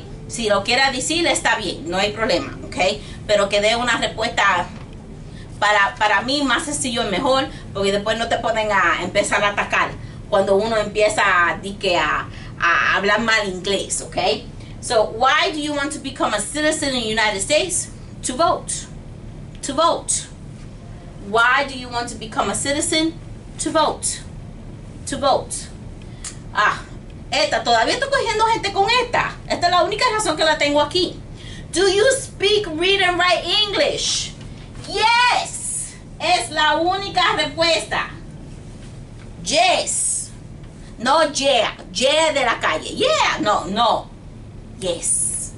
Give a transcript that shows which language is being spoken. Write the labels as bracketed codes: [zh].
[es] Si lo quiera decir, está bien, no hay problema, ¿ok? Pero que dé una respuesta para mí más sencillo y mejor, porque después no te ponen a empezar a atacar cuando uno empieza a hablar mal inglés, ¿ok? [en] So, why do you want to become a citizen in the United States? To vote. To vote. Why do you want to become a citizen? To vote. To vote. [es] Ah, esta, todavía estoy cogiendo gente con esta. Esta es la única razón que la tengo aquí. [en] Do you speak, read, and write English? Yes! [es] Es la única respuesta. Yes. No, yeah. Yeah de la calle. Yeah. No, no. Yes.